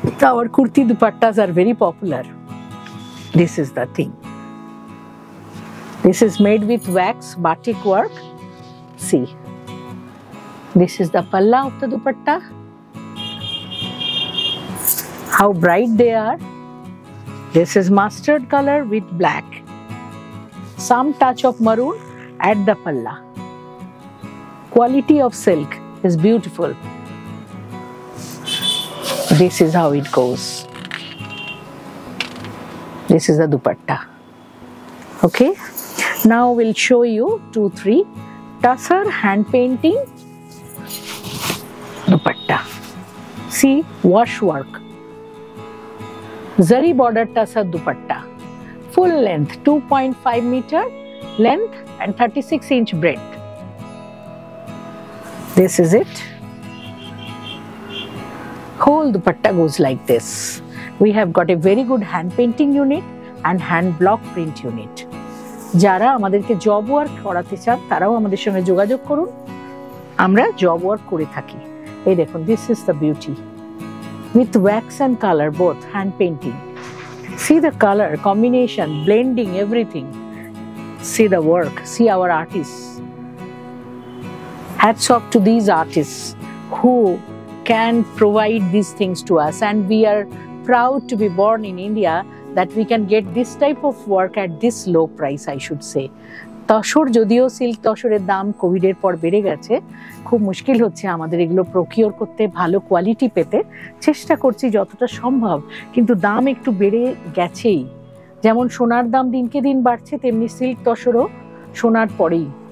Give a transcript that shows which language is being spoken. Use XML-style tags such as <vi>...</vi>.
<en>Our kurti dupattas are very popular, this is the thing, this is made with wax batik work. See this is the palla of the dupatta, how bright they are. This is mustard color with black. Some touch of maroon at the palla. Quality of silk is beautiful. This is how it goes. This is the dupatta. Okay. Now we'll show you 2-3 tussar hand painting dupatta. See, wash work. Zari border tussar dupatta, full length, 2.5 metre length and 36 inch breadth. This is it, whole dupatta goes like this. We have got a very good hand painting unit and hand block print unit.</en> <bn>যারা আমাদেরকে job work করাতে চান তারাও আমাদের সঙ্গে যোগাযোগ করুন, আমরা জব ওয়ার্ক করে থাকি। এই দেখুন,</bn> <en>This is the beauty with wax and color, both hand painting. See the color combination, blending everything. See the work, see our artists. Hats off to these artists who can provide these things to us, and we are proud to be born in India that we can get this type of work at this low price, I should say.</en> <bn>Tussar যদিও silk তসরের দাম কোভিডের পর বেড়ে গেছে, খুব মুশকিল হচ্ছে আমাদের এগুলো প্রোকিওর করতে, ভালো কোয়ালিটি পেতে চেষ্টা করছি যতটা সম্ভব, কিন্তু দাম একটু বেড়ে গেছেই। যেমন সোনার দাম দিনকে দিন বাড়ছে, তেমনি সিল্ক তসরও সোনার পরেই।</bn>